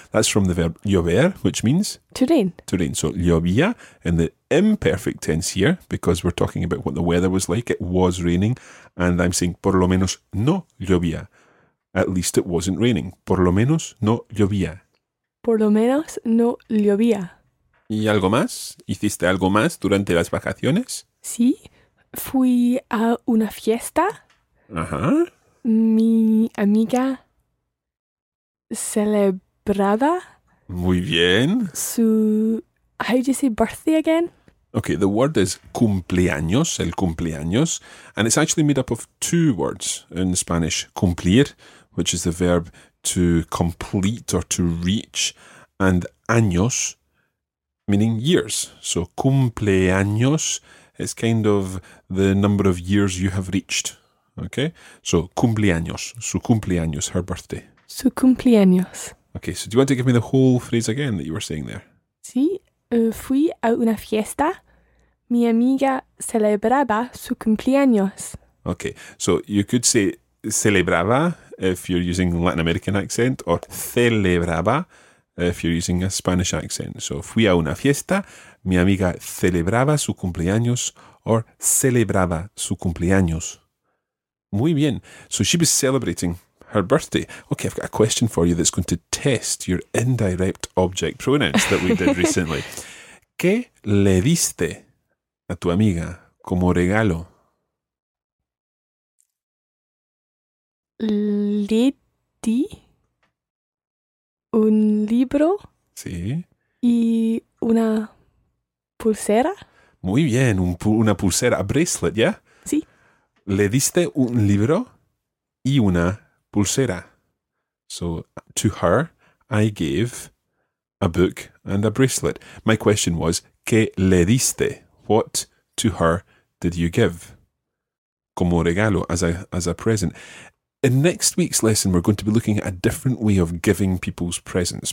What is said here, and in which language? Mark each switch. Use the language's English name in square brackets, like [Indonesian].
[English] That's from the verb llover, which means? To rain. To rain. So, llovía in the imperfect tense here, because we're talking about what the weather was like. It was raining. And I'm saying, [Spanish] por lo menos no llovía. [English] At least it wasn't raining. [Spanish] Por lo menos no llovía. Por lo menos no llovía. ¿Y algo más? ¿Hiciste algo más durante las vacaciones? Sí. Fui a una fiesta. Ajá. Mi amiga celebrada. Muy bien. [English] Su, how do you say birthday again? Okay, the word is cumpleaños, el cumpleaños. And it's actually made up of two words in Spanish. Cumplir, which is the verb to complete or to reach. And años, meaning years. So cumpleaños is kind of the number of years you have reached. Okay, so [Spanish] cumpleaños, su cumpleaños, [English] her birthday. [Spanish] Su cumpleaños. [English] Okay, so do you want to give me the whole phrase again that you were saying there? [Spanish] Sí, fui a una fiesta. Mi amiga celebraba su cumpleaños. [English] Okay, so you could say celebraba if you're using Latin American accent, or celebraba if you're using a Spanish accent. [Spanish] So fui a una fiesta. Mi amiga celebraba su cumpleaños, or celebraba su cumpleaños. Muy bien. [English] So she was celebrating her birthday. Okay, I've got a question for you that's going to test your indirect object pronouns that we did recently. [Spanish] ¿Qué le diste a tu amiga como regalo? Le di un libro. Sí. Y una pulsera. Muy bien. Una pulsera. [English] A bracelet, [Spanish] ¿ya? Sí. Le diste un libro y una pulsera. [English] So, to her, I gave a book and a bracelet. My question was, [Spanish] ¿qué le diste? [English] What to her did you give? [Spanish] Como regalo, [English] as a present. In next week's lesson, we're going to be looking at a different way of giving people's presents.